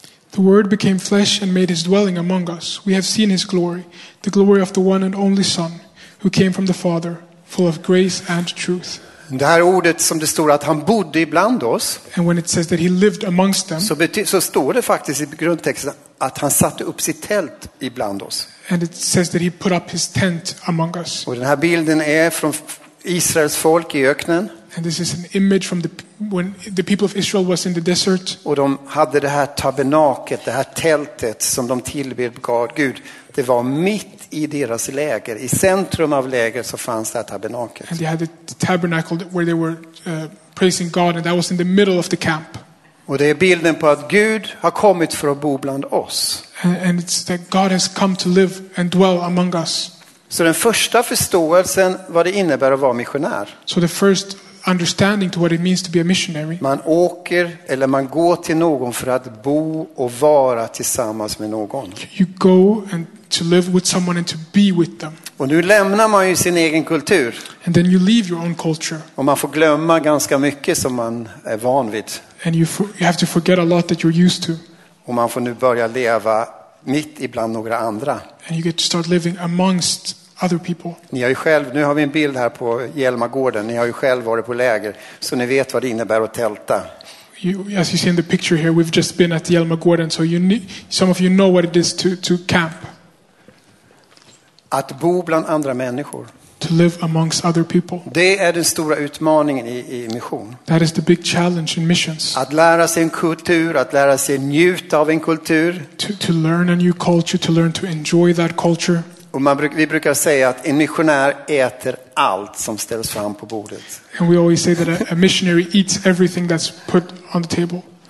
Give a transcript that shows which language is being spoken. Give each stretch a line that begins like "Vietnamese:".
English: The word became flesh and made his dwelling among us. We have seen his glory, the glory of the one and only son who came from the father, full of grace and truth.
Swedish: Det här ordet som det står att han bodde ibland oss.
English: And when it says that he lived amongst them.
Swedish: Så står det faktiskt i grundtexten att han satte upp sitt tält ibland oss.
English: And it says that he put up his tent among us.
Swedish: Och den här bilden är från Israels folk i öknen.
English: And this is an image from when the people of Israel was in the desert.
Swedish: Och de hade det här tabernaklet, det här tältet som de tillbad Gud. Det var mitt i deras läger, i centrum av lägret så fanns det här tabernaklet.
English: And they had the tabernacle where they were praising God, and that was in the middle of the camp.
Swedish: Och det är bilden på att Gud har kommit för att bo bland oss.
English: And it's that God has come to live and dwell among us.
Swedish: Så den första förståelsen vad det innebär att vara missionär.
English: So the first understanding to what it means to be a missionary.
Swedish: Man åker eller man går till någon för att bo och vara tillsammans med någon.
English: You go and to live with someone and to be with them.
Swedish: Och nu lämnar man ju sin egen kultur.
English: And then you leave your own culture.
Swedish: Och man får glömma ganska mycket som man är van vid.
English: And you have to forget a lot that you're used to.
Swedish: Och man får nu börja leva mitt ibland några andra.
English: And you get to start living amongst other people.
Swedish: Ni har ju själv, nu har vi en bild här på Hjälmagården. Ni har ju själv varit på läger, så ni vet vad det innebär att tälta.
English: As you see in the picture here, we've just been at Hjälmagården, so some of you know what it is to camp.
Swedish: Att bo bland andra människor.
English: To live amongst other people.
Swedish: Det är den stora utmaningen i mission.
English: That is the big challenge in missions.
Swedish: Att lära sig en kultur, att lära sig njuta av en kultur.
English: To learn a new culture, to learn to enjoy that culture.
Swedish: Och vi brukar säga att en missionär äter allt som ställs fram på bordet.
English: And we always say that a missionary eats everything that's put on the table.